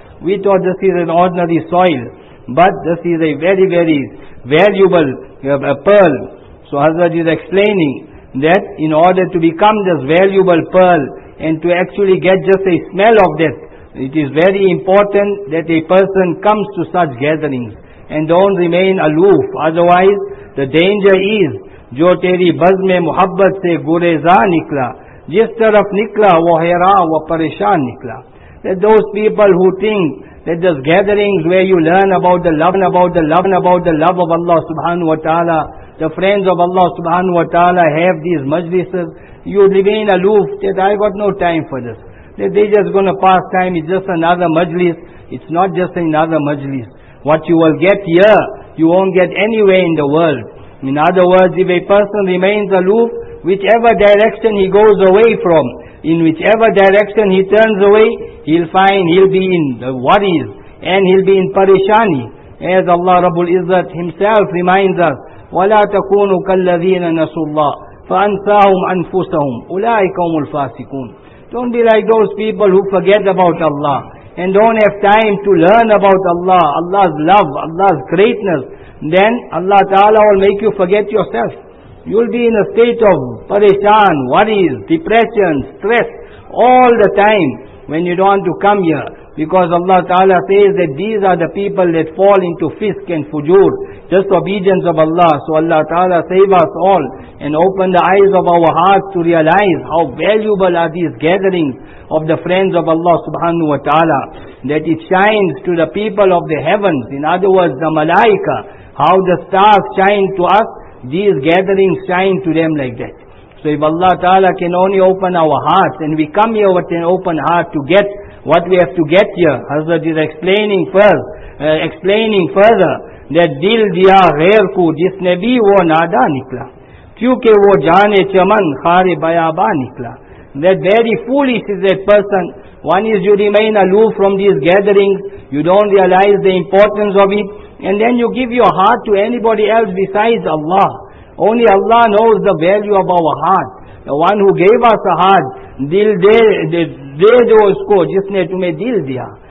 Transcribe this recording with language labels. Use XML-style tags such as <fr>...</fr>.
<en>We thought this is an ordinary soil, but this is a very, very valuable pearl. So Hazrat is explaining that in order to become this valuable pearl and to actually get just a smell of that, it is very important that a person comes to such gatherings and don't remain aloof. Otherwise, the danger is,</en> <ur>جو تیری بز میں محبت سے گریزاں نکلا، جس طرف نکلا وہ حیران و پریشان نکلا.</ur> <en>That those people who think that those gatherings where you learn about the love and about the love and about the love of Allah subhanahu wa ta'ala, the friends of Allah subhanahu wa ta'ala have these majlises, you remain aloof, that I got no time for this. That they just going to pass time, it's just another majlis. It's not just another majlis. What you will get here, you won't get anywhere in the world. In other words, if a person remains aloof, whichever direction he goes away from, in whichever direction he turns away, he'll be in the worries, and he'll be in parishani. As Allah Rabbul Izzat Himself reminds us,</en> <ar>وَلَا تَكُونُوا كَالَّذِينَ نَسُوا اللَّهِ فَأَنْسَاهُمْ أَنْفُسَهُمْ أُولَٰئِكَ هُمُ الْفَاسِقُونَ.</ar> <en>Don't be like those people who forget about Allah, and don't have time to learn about Allah, Allah's love, Allah's greatness. Then Allah Ta'ala will make you forget yourself. You'll be in a state of pareshan, worries, depression, stress, all the time when you don't want to come here. Because Allah Ta'ala says that these are the people that fall into fisk and fujur, disobedience of Allah. So Allah Ta'ala save us all and open the eyes of our hearts to realize how valuable are these gatherings of the friends of Allah subhanahu wa ta'ala. That it shines to the people of the heavens, in other words the malaika, how the stars shine to us, these gatherings shine to them like that. So if Allah Ta'ala can only open our hearts, and we come here with an open heart to get what we have to get here, Hazrat is explaining further</en> <ur>نے دل دیا غیر کو جس نے بھی وہ نادا نکلا, کیونکہ وہ جانے چمن خار بیابا نکلا.</ur> <en>That very foolish is that person. One is you remain aloof from these gatherings, you don't realize the importance of it, and then you give your heart to anybody else besides Allah. Only Allah knows the value of our heart. The one who gave us a heart,</en> <ur>dil de do usko jisne tumhe dil diya.</ur>